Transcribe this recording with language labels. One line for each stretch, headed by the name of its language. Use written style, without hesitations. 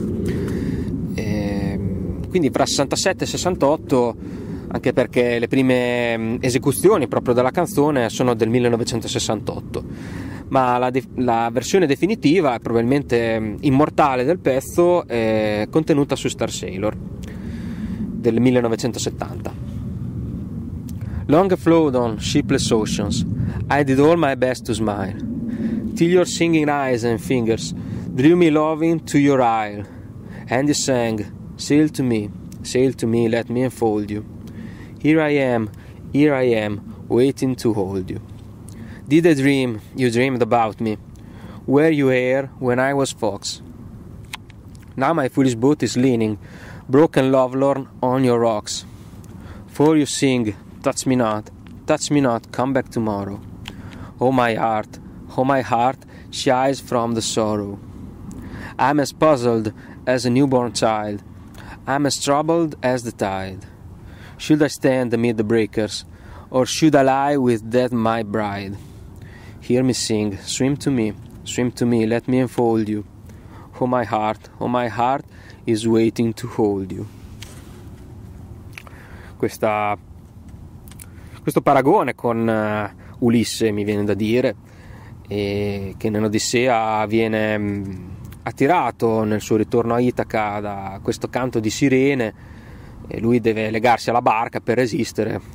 Italian: Quindi fra 67 e 68, anche perché le prime esecuzioni proprio della canzone sono del 1968. Ma la versione definitiva, probabilmente immortale del pezzo, è contenuta su Star Sailor del 1970.
English: Long flowed on shipless oceans, I did all my best to smile, till your singing eyes and fingers drew me loving to your isle. And you sang, sail to me, let me enfold you. Here I am, waiting to hold you. Did a dream you dreamed about me? Were you here when I was fox? Now my foolish boat is leaning, broken lovelorn on your rocks. For you sing, touch me not, come back tomorrow. Oh my heart, shies from the sorrow. I'm as puzzled as a newborn child, I'm as troubled as the tide. Should I stand amid the breakers, or should I lie with death my bride? Hear me sing, swim to me, let me enfold you. Oh my heart is waiting to hold you.
Italian: Questo paragone con Ulisse, mi viene da dire, e che nell'Odissea viene attirato nel suo ritorno a Itaca da questo canto di sirene, e lui deve legarsi alla barca per resistere.